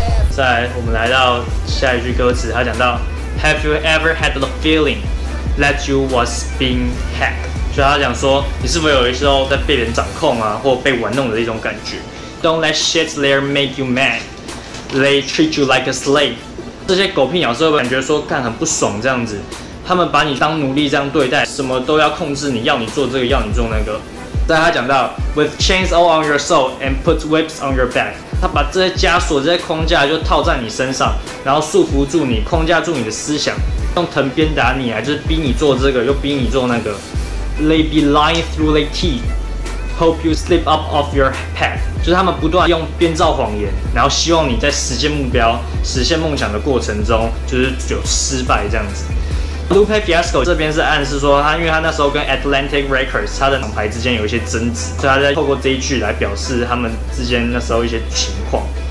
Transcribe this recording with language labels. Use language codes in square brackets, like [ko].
[zh] 再来，我们来到下一句歌词，他讲到 ， [en] Have you ever had the feeling that you was being hacked？ [zh] 所以他讲说，你是否有一时候在被人掌控啊，或被玩弄的一种感觉 ？ [en] Don't let shit there make you mad. They treat you like a slave。 [zh] 这些狗屁鸟是会感觉说，干很不爽这样子，他们把你当奴隶这样对待，什么都要控制你，要你做这个，要你做那个。再来他讲到 ， [en] With chains all on your soul and put whips on your back。 [zh] 他把这些枷锁、这些框架就套在你身上，然后束缚住你，框架住你的思想，用藤鞭打你啊，就是逼你做这个，又逼你做那个。 [en] They be lying through their teeth, hope you slip up off your path。 [zh] 就是他们不断用编造谎言，然后希望你在实现目标、实现梦想的过程中，就是有失败这样子。 Lupe Fiasco 这边是暗示说他，因为他那时候跟 Atlantic Records 他的厂牌之间有一些争执，所以他在透过这一句来表示他们之间那时候一些情况。